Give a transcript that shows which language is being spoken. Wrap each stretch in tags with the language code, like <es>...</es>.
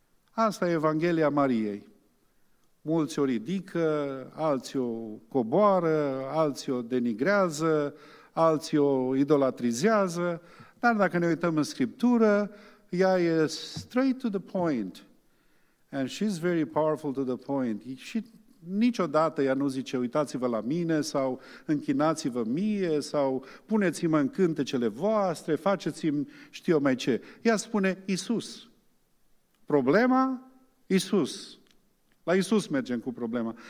<ro>Asta e Evanghelia Mariei. Mulți o ridică, alții o coboară, alții o denigrează, alții o idolatrizează, dar dacă ne uităm în Scriptură, ea e</ro> <en>straight to the point. And she's very powerful to the point.</en> <ro>Și niciodată ea nu zice, uitați-vă la mine, sau închinați-vă mie, sau puneți-mă în cântecele voastre, faceți-mi știu mai ce. Ea spune, Iisus. Problema? Iisus. La Iisus mergem cu problema.</ro>